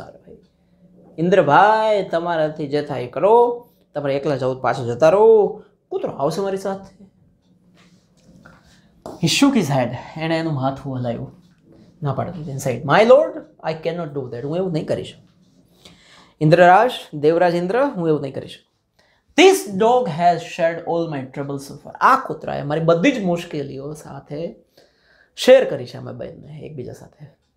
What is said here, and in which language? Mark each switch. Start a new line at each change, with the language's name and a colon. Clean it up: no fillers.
Gujarati: અરે ભાઈ ઇન્દ્રભાઈ, તમારાથી જે થાય કરો, તમારે એકલા જવું, પાછું જતા રહો, કૂતરો આવશે મારી સાથે.
English: he shook his head,
Gujarati: એણે એનું માથું હલાવ્યું, ના પાડતું એની side.
English: my lord, I cannot do that,
Gujarati: હું એવું નહીં કરી શકું. ઇન્દ્રરાજ, દેવરાજ ઇન્દ્ર, હું એવું નહીં કરી શકું.
English: This dog has shared all my troubles so far.
Gujarati: આ કૂતરાએ મારી બધી જ મુશ્કેલીઓ સાથે શેર કરી છે અમે બંને એકબીજા સાથે.